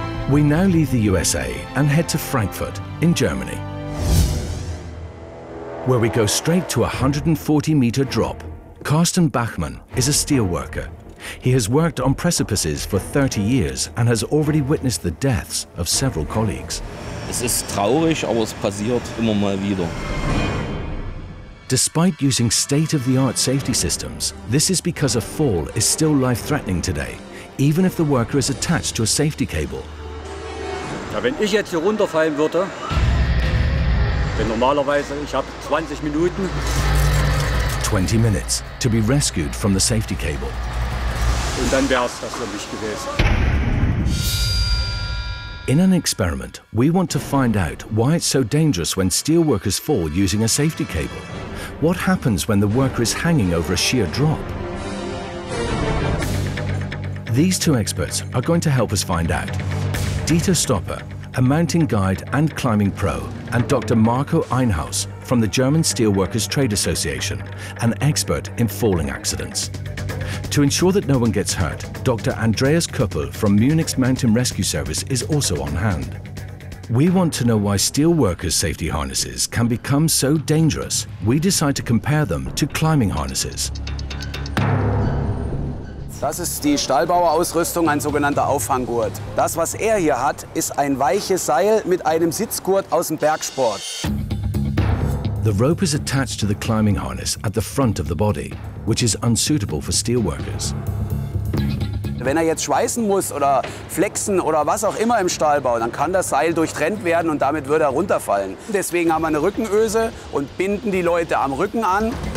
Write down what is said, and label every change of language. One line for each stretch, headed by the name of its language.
English: We now leave the USA and head to Frankfurt in Germany, where we go straight to a 140-meter drop. Carsten Bachmann is a steelworker. He has worked on precipices for 30 years and has already witnessed the deaths of several colleagues.
German: Es ist traurig, aber es passiert immer mal wieder.
English: Despite using state-of-the-art safety systems, this is because a fall is still life-threatening today, even if the worker is attached to a safety cable.
German: Ja, wenn ich jetzt hier runterfallen würde, denn normalerweise, ich habe 20 Minuten.
English: 20 minutes to be rescued from the safety cable.
German: Und dann wär's das für mich gewesen.
English: In an experiment, we want to find out why it's so dangerous when steelworkers fall using a safety cable. What happens when the worker is hanging over a sheer drop? These two experts are going to help us find out. Dieter Stopper, a mountain guide and climbing pro, and Dr. Marco Einhaus from the German Steelworkers Trade Association, an expert in falling accidents. To ensure that no one gets hurt, Dr. Andreas Kuppel from Munich's Mountain Rescue Service is also on hand. We want to know why steelworkers' safety harnesses can become so dangerous. We decide to compare them to climbing harnesses.
German: Das ist die Stahlbauerausrüstung, ein sogenannter Auffanggurt. Das, was hier hat, ist ein weiches Seil mit einem Sitzgurt aus dem Bergsport.
English: The rope is attached to the climbing harness at the front of the body, which is unsuitable for steelworkers.
German: Wenn jetzt schweißen muss oder flexen oder was auch immer im Stahlbau, dann kann das Seil durchtrennt werden und damit würde runterfallen. Deswegen haben wir eine Rückenöse und binden die Leute am Rücken an.